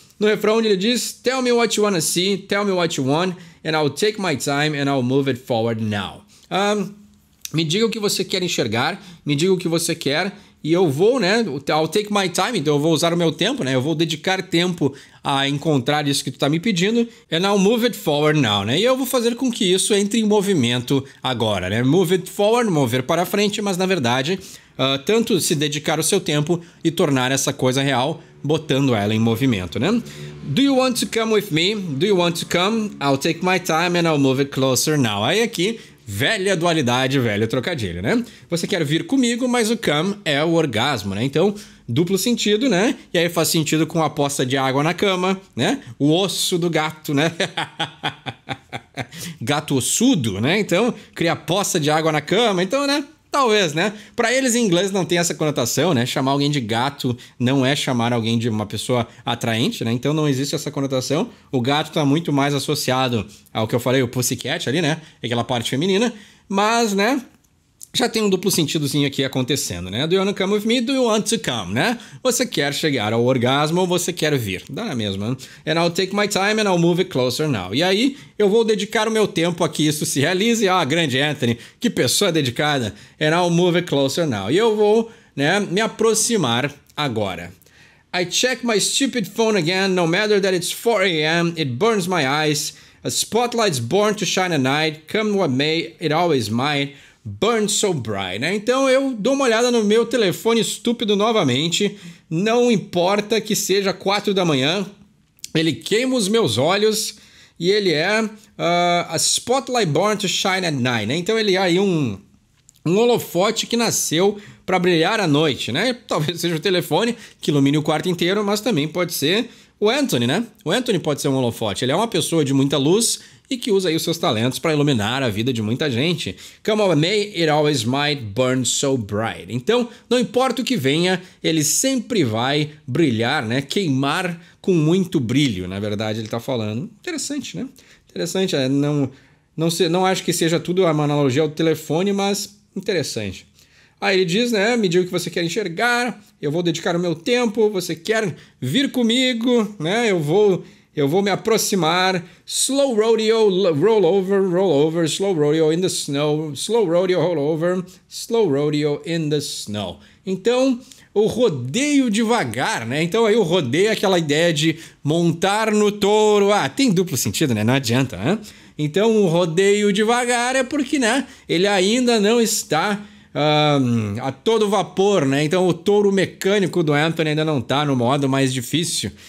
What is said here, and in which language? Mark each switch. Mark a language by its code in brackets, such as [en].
[pt] No refrão ele diz, [en] tell me what you wanna see, tell me what you want, and I'll take my time and I'll move it forward now. [pt] Me diga o que você quer enxergar, me diga o que você quer, e eu vou, né, [en] I'll take my time, [pt] então eu vou usar o meu tempo, né, eu vou dedicar tempo a encontrar isso que tu tá me pedindo, [en] and I'll move it forward now, [pt] né, e eu vou fazer com que isso entre em movimento agora, né, [en] move it forward, [pt] mover para frente, mas na verdade, tanto se dedicar o seu tempo e tornar essa coisa real, botando ela em movimento, né? [en] Do you want to come with me? Do you want to come? I'll take my time and I'll move it closer now. [pt] Aí aqui, velha dualidade, velho trocadilho, né? Você quer vir comigo, mas o come é o orgasmo, né? Então, duplo sentido, né? E aí faz sentido com a poça de água na cama, né? O osso do gato, né? Gato ossudo, né? Então, cria poça de água na cama, então, né? Talvez, né? Pra eles em inglês não tem essa conotação, né? Chamar alguém de gato não é chamar alguém de uma pessoa atraente, né? Então não existe essa conotação. O gato tá muito mais associado ao que eu falei, o pussycat ali, né? Aquela parte feminina. Mas, né? Já tem um duplo sentidozinho aqui acontecendo, né? [en] Do you want to come with me? Do you want to come, né? [pt] Você quer chegar ao orgasmo ou você quer vir? Dá na mesma, né? [en] And I'll take my time and I'll move it closer now. [pt] E aí, eu vou dedicar o meu tempo a que isso se realize. Ah, grande Anthony, que pessoa dedicada. [en] And I'll move it closer now. [pt] E eu vou, né, me aproximar agora. [en] I check my stupid phone again, no matter that it's 4 a.m, it burns my eyes. A spotlight's born to shine at night, come what may, it always might. Burn so bright, né? [pt] Então eu dou uma olhada no meu telefone estúpido novamente. Não importa que seja 4 da manhã, ele queima os meus olhos e ele é a [en] spotlight born to shine at night, [pt] né? Então ele é aí um holofote que nasceu para brilhar à noite, né? Talvez seja o telefone que ilumine o quarto inteiro, mas também pode ser o Anthony, né? O Anthony pode ser um holofote. Ele é uma pessoa de muita luz e que usa aí os seus talentos para iluminar a vida de muita gente. Come what may, it always might burn so bright. Então, não importa o que venha, ele sempre vai brilhar, né? Queimar com muito brilho, na verdade, ele está falando. Interessante, né? Interessante, não acho que seja tudo uma analogia ao telefone, mas interessante. Aí ele diz, né, me diga o que você quer enxergar, eu vou dedicar o meu tempo, você quer vir comigo, né, eu vou me aproximar. [en] Slow rodeo, roll over, slow rodeo in the snow, slow rodeo, roll over, slow rodeo in the snow. [pt] Então, o rodeio devagar, né, então aí o rodeio é aquela ideia de montar no touro, ah, tem duplo sentido, né, não adianta, né. Então, o rodeio devagar é porque, né, ele ainda não está... a todo vapor, né? Então o touro mecânico do Anthony ainda não tá no modo mais difícil.